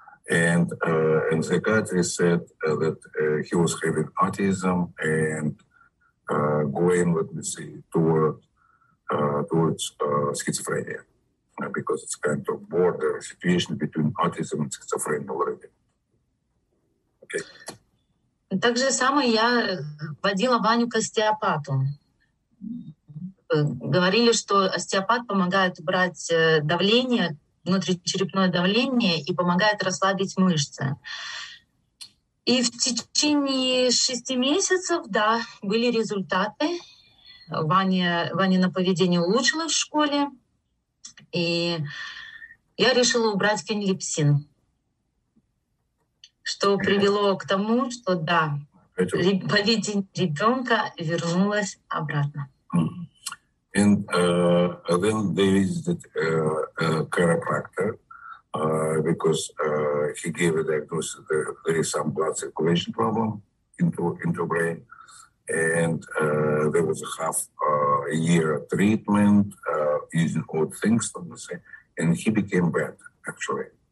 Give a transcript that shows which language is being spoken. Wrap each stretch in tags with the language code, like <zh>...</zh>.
<en>And the psychiatrist said that he was having autism and going, let me see, towards schizophrenia, because it's kind of border situation between autism and schizophrenia already. Okay.</en> <ru>Так же самое я водила Ваню к остеопату. Говорили, что остеопат помогает убрать давление, внутричерепное давление, и помогает расслабить мышцы. И в течение 6 месяцев, да, были результаты. Ванина поведение улучшилось в школе, и я решила убрать фенлипсин, что привело к тому, что да, поведение ребенка вернулось обратно.</ru> <en>And then they visited a chiropractor because he gave a diagnosis that there is some blood circulation problem into brain. And there was a half a year treatment using old things, let me say, and he became better, actually.</en>